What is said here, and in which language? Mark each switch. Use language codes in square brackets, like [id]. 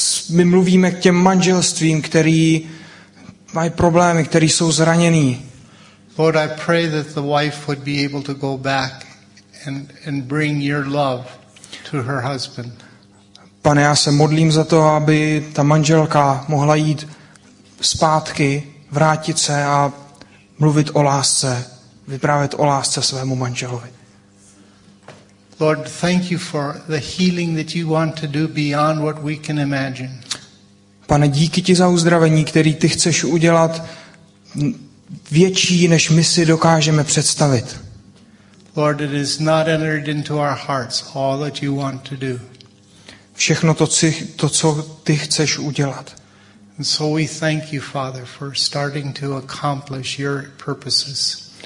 [cs] My mluvíme k těm manželstvím, který mají problémy, který jsou zraněný. [en] Lord, I pray that the wife would be able to go back and bring your love to her husband. [cs] Pane, já se modlím za to, aby ta manželka mohla jít zpátky, vrátit se a mluvit o lásce, vyprávět o lásce svému manželovi. [en] Lord, thank you for the healing that you want to do beyond what we can imagine. [cs] Pane, díky ti za uzdravení, který ty chceš udělat větší, než my si dokážeme představit. [en] Lord, it is not entered into our hearts all that you want to do. [cs] Všechno to, co ty chceš udělat. [en] And so we thank you, Father, for starting to accomplish your purposes.